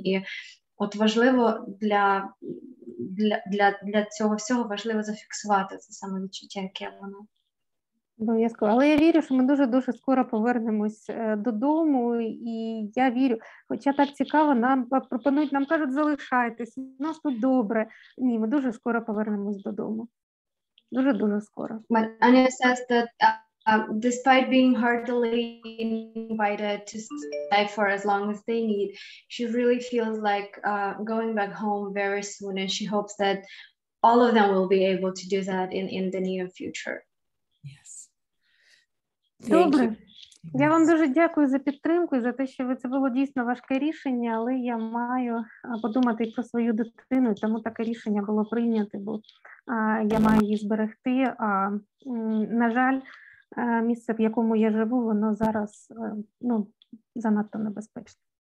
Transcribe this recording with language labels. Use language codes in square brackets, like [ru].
[uk] І от важливо для цього всього важливо зафіксувати це саме відчуття, яке воно. Обов'язково. Але я вірю, що ми дуже-дуже скоро повернемось додому. І я вірю, хоча так цікаво, нам пропонують, нам кажуть, залишайтесь, у нас тут добре. Ні, ми дуже скоро повернемось додому. Дуже-дуже скоро. [en] Аня says that despite being heartily invited to stay for as long as they need, she really feels like going back home very soon, and she hopes that all of them will be able to do that in the near future. Yes. [uk] Добре. Я вам дуже дякую за підтримку і за те, що це було дійсно важке рішення, але я маю подумати про свою дитину, тому таке рішення було прийнято, бо я маю її зберегти, а на жаль, місце, в якому я живу, воно зараз занадто небезпечне.